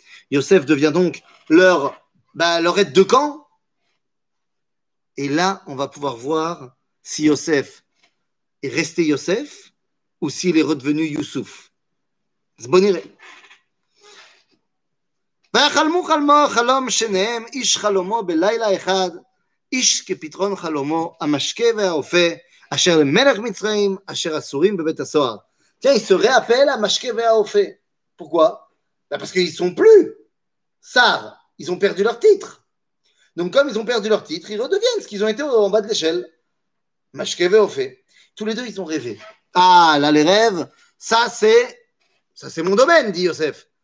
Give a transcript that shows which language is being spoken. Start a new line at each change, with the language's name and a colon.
French: Yosef devient donc leur aide de camp. Et là, on va pouvoir voir si Yosef est resté Yosef ou s'il est redevenu Youssouf.
Hebrew: ויחלמו חלמו חלום שניהם איש חלומו בלילה אחד איש כפתרון חלומו המשקה והאופה אשר למלך מצרים אשר אסורים בבית הסוהר.
French: Tiens, ils se réappellent à Mashke Véaofé. Pourquoi? Parce qu'ils ne sont plus Sar. Ils ont perdu leur titre. Donc comme ils ont perdu leur titre, ils redeviennent ce qu'ils ont été en bas de l'échelle. Mashke Véaofé. Tous les deux, ils ont rêvé. Ah, là, les rêves, ça c'est mon domaine, dit Yosef.